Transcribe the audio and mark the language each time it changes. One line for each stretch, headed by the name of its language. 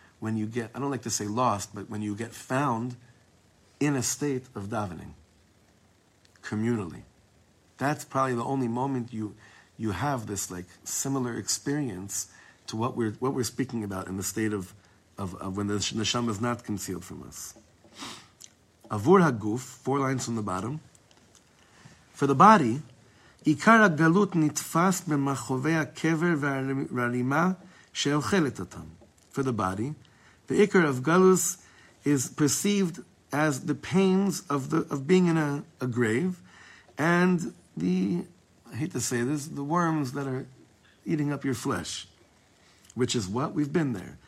English: When you get, I don't like to say lost, but when you get found in a state of davening, communally. That's probably the only moment you have this like similar experience to what we're speaking about in the state of when the neshama is not concealed from us.
Hebrew: Avur ha-guf,
English: four lines from the bottom. For the body,
Hebrew: עיקר הגלות נתפס במחווי הקבר והרימה שאוכלת אותם.
English: For the body, the ikar of galus is perceived as the pains of being in a grave, and the, I hate to say this, the worms that are eating up your flesh, which is what? We've been there.